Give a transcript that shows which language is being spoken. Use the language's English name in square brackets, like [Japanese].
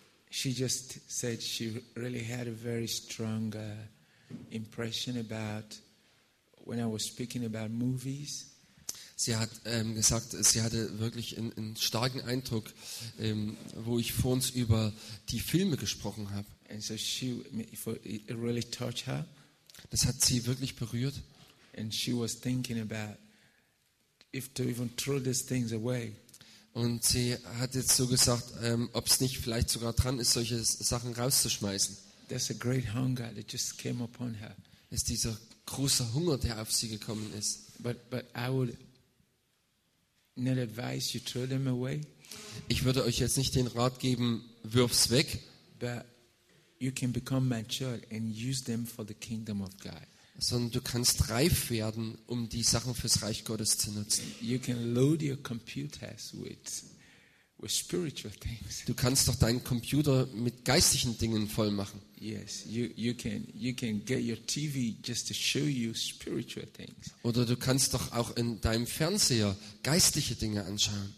[English] She just said she really had a very strong impression about when I was speaking about movies. [German] Sie hat gesagt, sie hatte wirklich einen starken Eindruck, wo ich vor uns über die Filme gesprochen habe. [English] And so she really touched her. [German] Das hat sie wirklich berührt. [English] And she was thinking about if to even throw these things away. [German] Und sie hat jetzt so gesagt, ob es nicht vielleicht sogar dran ist, solche Sachen rauszuschmeißen. [English] There's a great hunger that just came upon her. [German] Es ist dieser große Hunger, der auf sie gekommen ist. [English] But I would not advise you throw them away. [German] Ich würde euch jetzt nicht den Rat geben, wirf's weg. [English] But you can become mature and use them for the kingdom of God. [German] Sondern du kannst reif werden, um die Sachen fürs Reich Gottes zu nutzen. [English] You can load your computers with spiritual things. [German] Du kannst doch deinen Computer mit geistlichen Dingen voll machen. [English] Yes, you can get your TV just to show you spiritual things. [German] Oder du kannst doch auch in deinem Fernseher geistliche Dinge anschauen.